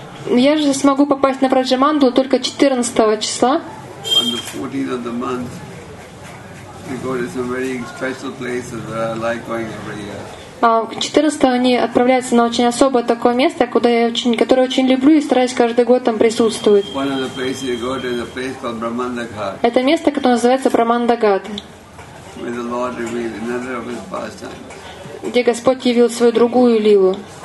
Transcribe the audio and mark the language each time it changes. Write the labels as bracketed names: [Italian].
[Russian] Я же смогу попасть на Враджамандалу только 14 числа. [English] On the 14th of the month, we go to some very special places where I like going every year. [Russian] А 14-го они отправляются на очень особое такое место, куда я очень, которое очень люблю и стараюсь каждый год там присутствовать. [English] One of the places you go to is a place called Brahmandaghat. [Russian] Это место, которое называется Брахмандагат. [English] Where the Lord revealed another of His pastimes. [Russian] Где Господь явил свою другую лилу.